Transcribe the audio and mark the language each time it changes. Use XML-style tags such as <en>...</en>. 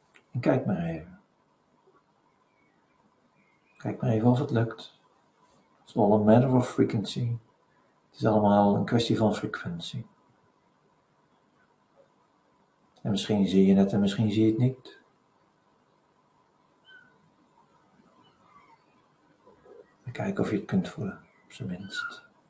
<nl>En kijk maar even. Kijk maar even of het lukt.</nl> <en>It's all a matter of frequency.</en> <nl>Het is allemaal een kwestie van frequentie. En misschien zie je het en misschien zie je het niet. En kijk of je het kunt voelen, op zijn minst.</nl>